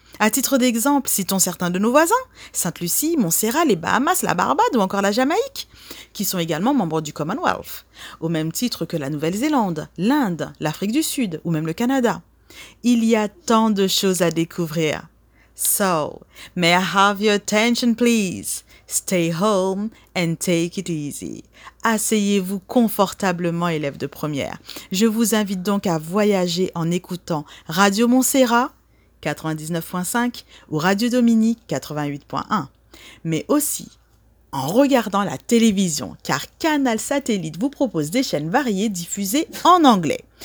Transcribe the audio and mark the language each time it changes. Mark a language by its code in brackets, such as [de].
[fr] À titre d'exemple, citons certains de nos voisins, Sainte-Lucie, Montserrat, les Bahamas, la Barbade ou encore la Jamaïque, qui sont également membres du Commonwealth, au même titre que la Nouvelle-Zélande, l'Inde, l'Afrique du Sud ou même le Canada. Il y a tant de choses à découvrir. [en] So, may I have your attention please? Stay home and take it easy. [fr] Asseyez-vous confortablement, élèves de première. Je vous invite donc à voyager en écoutant Radio Montserrat 99.5 ou Radio Dominique 88.1, mais aussi en regardant la télévision, car Canal Satellite vous propose des chaînes variées diffusées en anglais.